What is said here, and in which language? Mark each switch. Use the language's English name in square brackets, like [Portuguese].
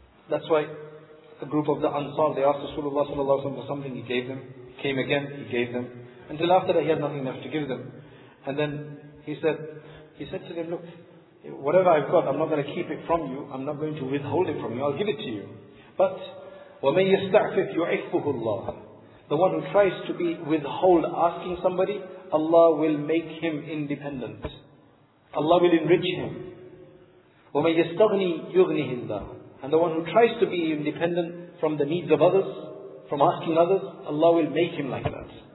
[English] That's why a group of the Ansar, they asked Rasulullah sallallahu alaihi wasallam for something, he gave them. Came again, he gave them. Until after that, he had nothing left to give them. And then he said to them, look, whatever I've got, I'm not going to keep it from you. I'm not going to withhold it from you. I'll give it to you. But [Arabic] وَمَنْ يَسْتَعْفِفْ يُعِفُّهُ اللَّهُ. [English] The one who tries to be withhold asking somebody, Allah will make him independent. Allah will enrich him. [Arabic] وَمَنْ يَسْتَغْنِي يُغْنِهِ اللَّهُ. [English] And the one who tries to be independent from the needs of others, from asking others, Allah will make him like that.